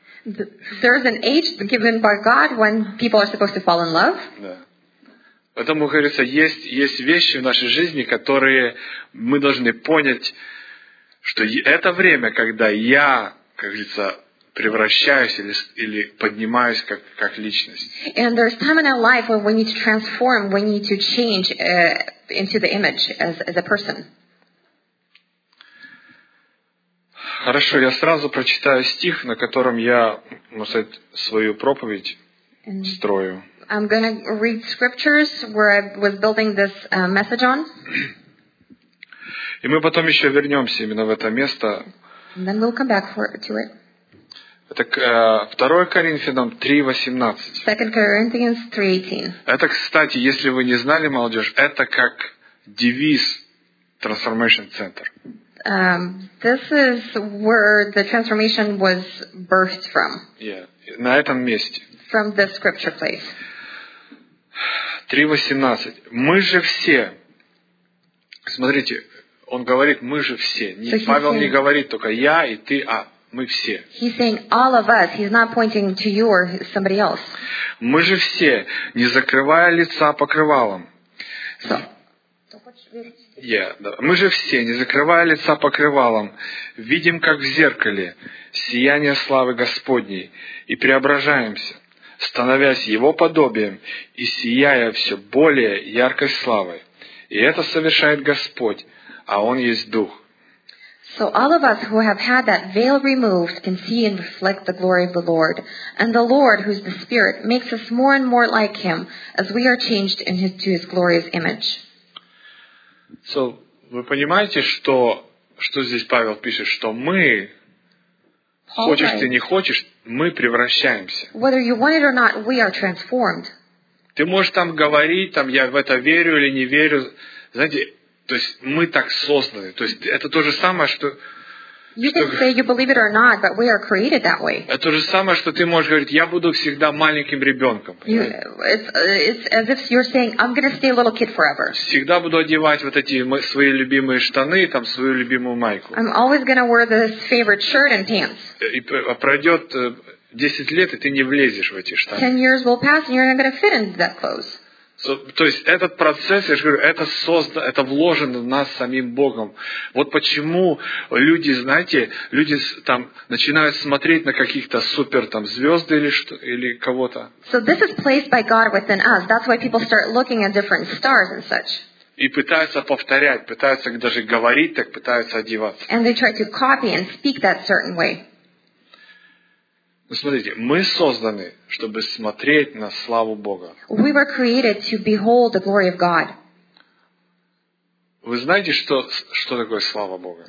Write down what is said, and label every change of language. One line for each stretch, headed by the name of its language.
English: There's an age given by God when people are supposed to fall in love.
Russian: Да. Поэтому, как говорится, есть вещи в нашей жизни, которые мы должны понять, что это время, когда я, как говорится, превращаюсь или поднимаюсь как личность.
English: And there's time in our life when we need to transform, we need to change into the image as a person.
Russian: Хорошо, я сразу прочитаю стих, на котором я, можно сказать, свою проповедь and строю.
English: I'm going to read scriptures where I was building this message on.
Russian: И мы потом еще вернемся именно в это место.
English: And then we'll come back to it.
Russian: Это 2 Коринфянам 3:18.
English: 2 Corinthians 3:18.
Russian: Это, кстати, если вы не знали, молодежь, это как девиз Transformation Center.
English: This is where the transformation was birthed from.
Russian: Yeah, на этом месте.
English: From the scripture place.
Russian: 3:18. Мы же все. Смотрите, он говорит, мы же все. Павел не говорит только я и ты, а мы все.
English: He's saying all of us. He's not pointing to you or somebody else.
Russian: Мы же все, не закрывая лица покрывалом. Мы же все, не закрывая лица покрывалом, видим, как в зеркале, сияние славы Господней, и преображаемся, становясь Его подобием и сияя все более яркой славой. И это совершает Господь, а Он есть Дух.
English: So all of us who have had that veil removed can see and reflect the glory of the Lord. And the Lord, who is the Spirit, makes us more and more like Him as we are changed into His glorious image.
Russian: So, вы понимаете, что здесь Павел пишет, что мы, хочешь ты, не хочешь, мы превращаемся.
English: Whether you want it or not, we are transformed.
Russian: Ты можешь там говорить, там, я в это верю или не верю. Знаете, то есть мы так созданы. То есть это то же самое, что...
English: You can say you believe it or not, but we are created that way.
Russian: Это то же самое, что ты можешь говорить, я буду всегда маленьким ребенком.
English: It's as if you're saying, I'm going to stay a little kid forever.
Russian: Всегда буду одевать вот эти свои любимые штаны, там свою любимую майку.
English: I'm always going to wear this favorite shirt and pants.
Russian: И пройдет 10 лет, и ты не влезешь в эти штаны.
English: 10 years will pass, and you're not going to fit into that clothes.
Russian: То есть этот процесс, я же говорю, это создано, это вложено в нас самим Богом. Вот почему люди, знаете, люди там начинают смотреть на каких-то супер там звезды или что, или кого-то.
English: So this is placed by God within us. That's why people start looking at different stars and such.
Russian: И пытаются повторять, пытаются даже говорить так, пытаются одеваться.
English: And they try to copy and speak that certain way.
Russian: Ну, смотрите, мы созданы, чтобы смотреть на славу Бога.
English: We were created to behold the glory of God.
Russian: Вы знаете, что такое слава Бога?